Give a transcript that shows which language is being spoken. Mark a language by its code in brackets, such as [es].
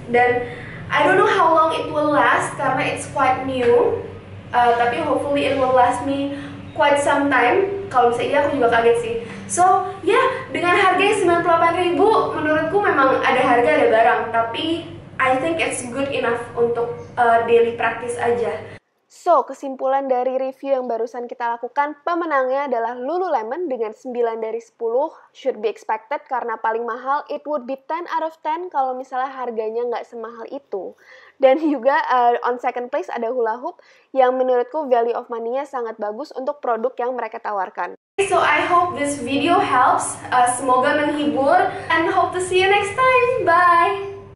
[id] Dan [en] I don't know how long it will last [id] karena [en] it's quite new. [id] Tapi [en] hopefully it will last me quite some time. [id] Kalau misalnya aku juga kaget sih. [en] So yeah, [id] dengan harga Rp98.000, menurutku memang ada harga ada barang. Tapi [en] I think it's good enough [id] untuk [en] daily practice [id] aja. So, kesimpulan dari review yang barusan kita lakukan, pemenangnya adalah Lululemon dengan 9 dari 10, [en] should be expected [id] karena paling mahal, [en] it would be 10 out of 10 [id] kalau misalnya harganya nggak semahal itu. Dan juga [en] on second place [id] ada Hula Hoop yang menurutku [en] value of money- [id] nya sangat bagus untuk produk yang mereka tawarkan. [en] So, I hope this video helps, [id] semoga menghibur, [en] and hope to see you next time, bye!